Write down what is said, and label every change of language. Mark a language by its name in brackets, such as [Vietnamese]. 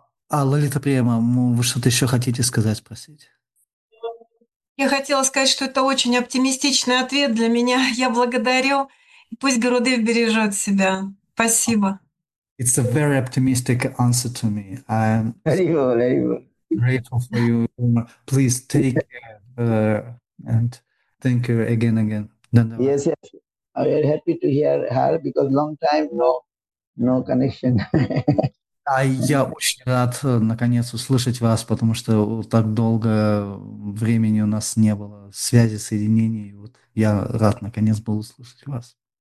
[Russian] Лолита Према, вы что-то еще хотите сказать, спросить? Я хотела сказать, что это очень оптимистичный ответ для меня. Я благодарю. Пусть Гурудев бережет себя. Спасибо. [English] It's a very optimistic answer to me. I am... Very good, very good. grateful for you. Please take care and thank you again, again. Yes, yes. I'm very happy to hear her because long time no connection. [Russian] А я очень рад наконец услышать вас, потому что так долго времени у нас не было связи, соединений. Вот я рад наконец был услышать вас.